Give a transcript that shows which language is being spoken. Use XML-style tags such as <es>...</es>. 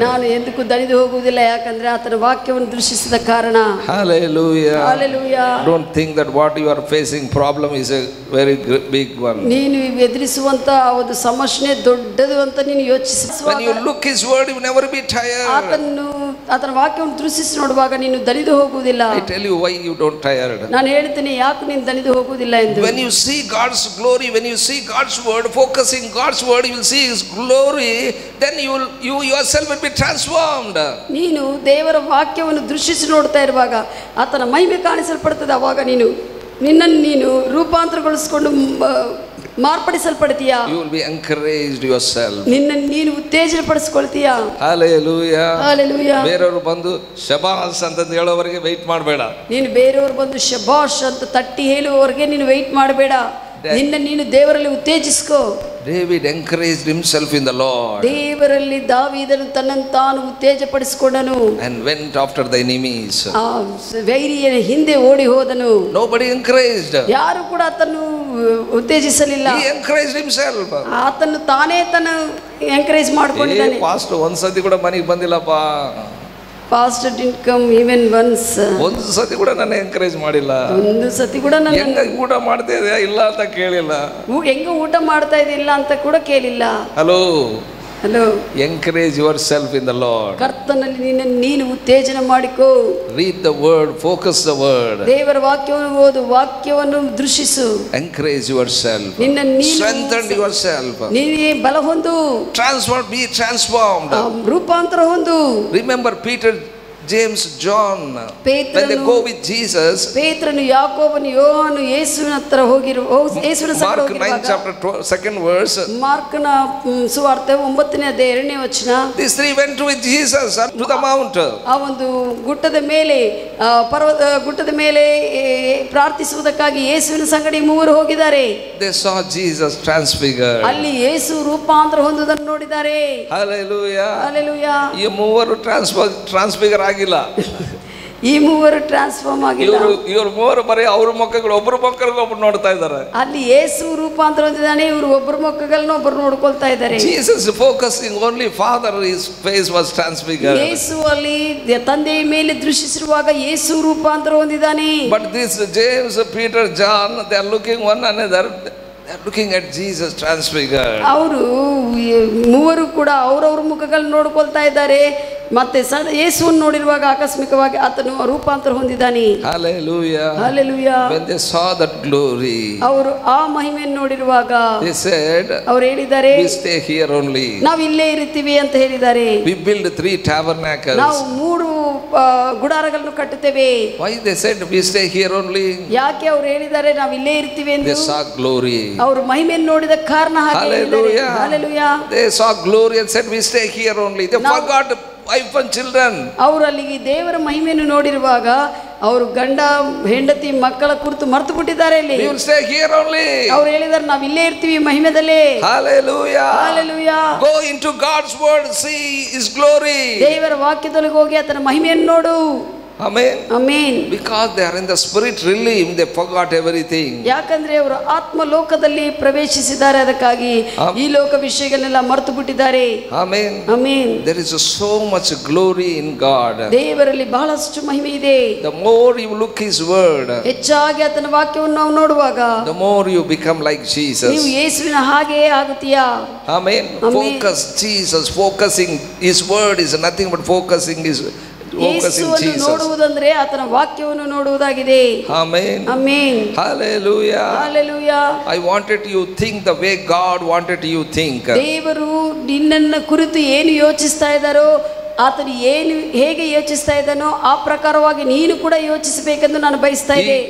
<kn>ನಾನು ಎಂದಿಗೂ ದಣಿದು ಹೋಗುವುದಿಲ್ಲ, ಯಾಕಂದ್ರೆ ಆತನ ವಾಕ್ಯವನ್ನು ದೃಶಿಸಿದ ಕಾರಣ.</kn> <en>Hallelujah. Hallelujah. Don't think that what you are facing problem is a very big one.</en> <kn>ನೀನು ಎದುರಿಸುವಂತ ಒಂದು ಸಮಸ್ಯೆ ದೊಡ್ಡದು ಅಂತ ನೀನು ಯೋಚಿಸುವಾಗ,</kn> <en>when you look his word, you never be tired.</en> <kn>ಆತನ ವಾಕ್ಯವನ್ನು ದೃಶಿಸಿ ನೋಡುವಾಗ ನೀನು ದಣಿದು ಹೋಗುವುದಿಲ್ಲ.</kn> <en>I tell you why you don't tired.</en> <kn>ನಾನು ಹೇಳ್ತೀನಿ ಯಾಕೆ ನೀನು ದಣಿದು ಹೋಗುವುದಿಲ್ಲ ಎಂದು.</kn> <en>When you see God's glory, when you see God's word, focusing God's word, you will see his glory, then you yourself will be transformed.</en> <kn>ನೀನು ದೇವರ ವಾಕ್ಯವನ್ನು ದೃಶಿಸಿ ನೋಡ್ತಾ ಇರುವಾಗ ಆತನ ಮಹಿಮೆ ಕಾಣಿಸಲ್ಪಡುತ್ತದೆ. ಆವಾಗ ನೀನು ನಿನ್ನನ್ನು ನೀನು ರೂಪಾಂತರಗೊಳಿಸಿಕೊಂಡು ಮಾರ್ಪಡಿಸಲ್ಪಡ್ತೀಯಾ?</kn> <en>You will be encouraged yourself.</en> <kn>ನಿನ್ನ ನೀನು ಉತ್ತೇಜನಪಡಿಸ್ಕೊಳ್ತೀಯಾ? Hallelujah, hallelujah. ಬೇರೆಯವರು ಬಂದು ಶಬಾಷ್ ಅಂತ ಹೇಳೋವರೆಗೆ ವೆಯ್ಟ್ ಮಾಡಬೇಡ. ನೀನು ಬೇರೆಯವರು ಬಂದು ಶಬಾಷ್ ಅಂತ ತಟ್ಟಿ ಹೇಳುವವರೆಗೆ ನೀನು ವೆಯ್ಟ್ ಮಾಡಬೇಡ. ನಿನ್ನ ನೀನು ದೇವರಲ್ಲಿ ಉತ್ತೇಜಿಸ್ಕೋ.</kn> <en>David encouraged himself in the Lord.</en> <kn>ದೇವರಲ್ಲಿ ದಾವೀದನು ತನ್ನನ್ನು ತಾನು ಉತ್ತೇಜಪಡಿಸಿಕೊಂಡನು.</kn> <en>And went after the enemies.</en> <kn>ಆ ವೈರಿಯನ ಹಿಂದೆ ಓಡಿ ಹೋದನು.</kn> <en>Nobody encouraged.</en> <kn>ಯಾರು ಕೂಡ ಆತನ್ನು ಉತ್ತೇಜಿಸಲಿಲ್ಲ.</kn> <en>He encouraged himself.</en> <kn>ಆತನು ತಾನೇ ತನ್ನನ್ನು ಎನ್ಕರೇಜ್ ಮಾಡಿಕೊಂಡಿದ್ದಾನೆ. ಪಾಸ್ಟರ್ ಒಂದ್ಸತಿ ಕೂಡ ಮನೆಗೆ ಬಂದಿಲ್ಲಪ್ಪ.</kn> <en>Pastor didn't come even once.</en> <kn>ಒಂದು ಸತಿ ಕೂಡ ನನ್ನ ಎನ್ಕರೇಜ್ ಮಾಡಿಲ್ಲ. ಒಂದು ಸತಿ ಕೂಡ ನನ್ನ ಹೆಂಗ ಊಟ ಮಾಡ್ತಾ ಇದೆಯಾ ಇಲ್ಲ ಅಂತ ಕೇಳಿಲ್ಲ. ಹೆಂಗ ಊಟ ಮಾಡ್ತಾ ಇದಿಲ್ಲ ಅಂತ ಕೂಡ ಕೇಳಿಲ್ಲ. Hello hello.</kn> <en>Encourage yourself in the Lord.</en> <kn>ಕರ್ತನಲ್ಲಿ ನಿನ್ನ ನೀನು ಉತ್ತೇಜನ ಮಾಡಿಕೋ.</kn> <en>Read the word, focus the word.</en> <kn>ದೇವರ ವಾಕ್ಯವನ್ನು ಓದು, ವಾಕ್ಯವನ್ನು ದೃಷ್ಟಿಸು.</kn> <en>Encourage yourself.</en> <kn>ನಿನ್ನ ನೀನು</kn> <en>Strengthen yourself.</en> <kn>ನೀನೇ ಬಲ ಹೊಂದು.</kn> <en>Transform, be transformed.</en> <kn>ರೂಪಾಂತರ ಹೊಂದು.</kn> <en>Remember Peter, James, John.</en> <kn>ಪೇತ್ರನು,</kn> <en>when they go with Jesus.</en> <kn>ಪೇತ್ರನು, ಯಾಕೋಬನು, ಯೋಹಾನನು ಯೇಸುವಿನ ಹತ್ರ ಹೋಗಿರು. ಯೇಸುವಿನ ಸಂಗಡ ಹೋಗಿರು.</kn> <en>Mark 9 chapter 12, second verse.</en> <kn>ಮಾರ್ಕನ ಸುವಾರ್ತೆ 9ನೇ ಅಧ್ಯಾಯ 2ನೇ ವಚನ.</kn> <en>These three went with Jesus to the mount.</en> <kn>ಆ ಒಂದು ಗುಡ್ಡದ ಮೇಲೆ, ಪರ್ವತ ಗುಡ್ಡದ ಮೇಲೆ ಪ್ರಾರ್ಥಿಸುವುದಕ್ಕಾಗಿ ಯೇಸುವಿನ ಸಂಗಡ ಮೂವರು ಹೋಗಿದ್ದಾರೆ.</kn> <en>They saw Jesus transfigured.</en> <kn>ಅಲ್ಲಿ ಯೇಸು ರೂಪಾಂತರ ಹೊಂದುವುದನ್ನು ನೋಡಿದ್ದಾರೆ.</kn> <en>Hallelujah. Hallelujah.</en> <kn>ಈ ಮೂವರು ಟ್ರಾನ್ಸ್ಫಿಗರ್ ಆಗಿಲ್ಲ. ಈ ಮೂವರು ಟ್ರಾನ್ಸ್ಫಾರ್ಮ್ ಆಗಿಲ್ಲ. ಇವರು ಮೂವರು ಬರೀ ಅವ್ರ ಮೊಕ್ಕಗಳು, ಒಬ್ರು ಮೊಕ್ಕಗಳು ಒಬ್ರು ನೋಡ್ತಾ ಇದ್ದಾರೆ. ಅಲ್ಲಿ ಯೇಸು ರೂಪಾಂತರ ಹೊಂದಿದ್ದಾನೆ, ಇವರು ಒಬ್ರು ಮೊಕ್ಕಗಳನ್ನ ಒಬ್ರು ನೋಡ್ಕೊಳ್ತಾ ಇದ್ದಾರೆ.</kn> <en>Jesus focusing only Father, his face was transfigure.</en> <kn>ಯೇಸು ಅಲ್ಲಿ ತಂದೆಯ ಮೇಲೆ ದೃಷ್ಟಿಸಿರುವಾಗ ಯೇಸು ರೂಪಾಂತರ ಹೊಂದಿದ್ದಾನೆ.</kn> <en>But this James, Peter, John, they are looking one another. They're looking at Jesus transfigured.</en> <kn>ಅವರು ಮೂವರು ಕೂಡ ಅವರವ್ರ ಮುಖಗಳನ್ನ ನೋಡ್ಕೊಳ್ತಾ ಇದ್ದಾರೆ. ಮತ್ತೆ ಯೇಸುವನ್ನು ನೋಡಿರುವಾಗ ಆಕಸ್ಮಿಕವಾಗಿ ಆತನು ರೂಪಾಂತರ ಹೊಂದಿದ್ದಾನೆ.</kn> <en>Hallelujah. Hallelujah. When they saw that glory.</en> <kn>ಅವರು ಆ ಮಹಿಮೆಯನ್ನು ನೋಡಿರುವಾಗ</kn> <en>they said,</en> <kn>ಅವರು ಹೇಳಿದ್ದಾರೆ,</kn> <en>we stay here only.</en> <kn>ನಾವು ಇಲ್ಲೇ ಇರ್ತೀವಿ ಅಂತ ಹೇಳಿದ್ದಾರೆ.</kn> <en>We build three tabernacles.</en> <kn>ನಾವು ಮೂರು ಗುಡಾರಗಳನ್ನು ಕಟ್ಟುತ್ತೇವೆ.</kn> <en>Why they said we stay here only?</en> <kn>ಯಾಕೆ ಅವರು ಹೇಳಿದ್ದಾರೆ ನಾವು ಇಲ್ಲೇ ಇರ್ತೀವಿ ಅಂತ?</kn> <en>They saw glory.</en> <kn>ಅವರು ಮಹಿಮೆಯನ್ನು ನೋಡಿದ ಕಾರಣ ಹಾಗೆ.</kn> <en>Hallelujah. Hallelujah. They saw glory and said we stay here only. They forgot wife and children.</en> <kn>ಅವರು ಅಲ್ಲಿಗೆ ದೇವರ ಮಹಿಮೆಯನ್ನು ನೋಡಿರುವಾಗ ಅವರು ಗಂಡ ಹೆಂಡತಿ ಮಕ್ಕಳ ಕುರಿತು ಮರೆತು ಬಿಟ್ಟಿದ್ದಾರೆ. ಇಲ್ಲಿ</kn> <en>You stay here only.</en> <kn>ಅವರು ಹೇಳಿದ್ದಾರೆ ನಾವು ಇಲ್ಲೇ ಇರ್ತೀವಿ ಮಹಿಮೆದಲ್ಲಿ. Hallelujah, hallelujah.</kn> <en>Go into God's word, see his glory.</en> <kn>ದೇವರ ವಾಕ್ಯದೊಳಗೆ ಹೋಗಿ ಆತನ ಮಹಿಮೆಯನ್ನು ನೋಡು.</kn> <en>Amen. Amen. Because they are in the spirit realm, they forgot everything.</en> <kn>ಯಾಕಂದ್ರೆ ಅವರು ಆತ್ಮ ಲೋಕದಲ್ಲಿ ಪ್ರವೇಶಿಸಿದ್ದಾರೆ, ಅದಕ್ಕಾಗಿ ಈ ಲೋಕ ವಿಷಯಗಳನ್ನೆಲ್ಲ ಮರೆತು ಬಿಟ್ಟಿದ್ದಾರೆ.</kn> <en>Amen. Amen. There is so much glory in God.</en> <kn>ದೇವರಲ್ಲಿ ಬಹಳಷ್ಟು ಮಹಿಮೆ ಇದೆ.</kn> <en>The more you look his word,</en> <kn>ಹೆಚ್ಚಾಗಿ ಆತನ ವಾಕ್ಯವನ್ನು ನಾವು ನೋಡುವಾಗ,</kn> <en>the more you become like Jesus.</en> <kn>ನೀವು ಯೇಸುವಿನ ಹಾಗೆ ಆಗುತ್ತೀಯಾ?</kn> <en>Amen. Focus Jesus, focusing his word is nothing but focusing his</en> <kn>ನೋಡುವುದಂದ್ರೆ ಆತನ ವಾಕ್ಯವನ್ನು ನೋಡುವುದಾಗಿದೆ. Amen. Amen. Hallelujah. Hallelujah.</kn> <en>I wanted you think the way God wanted you think.</en> <kn>ದೇವರು ನಿನ್ನನ್ನು ಕುರಿತು ಏನು ಯೋಚಿಸ್ತಾ ಇದ್ದಾರೋ, ಆತನು ಏನು ಹೇಗೆ ಯೋಚಿಸ್ತಾ ಇದ್ದಾನೋ ಆ ಪ್ರಕಾರವಾಗಿ ನೀನು ಕೂಡ ಯೋಚಿಸಬೇಕೆಂದು ನಾನು ಬಯಸ್ತಾ ಇದ್ದೆ.</kn>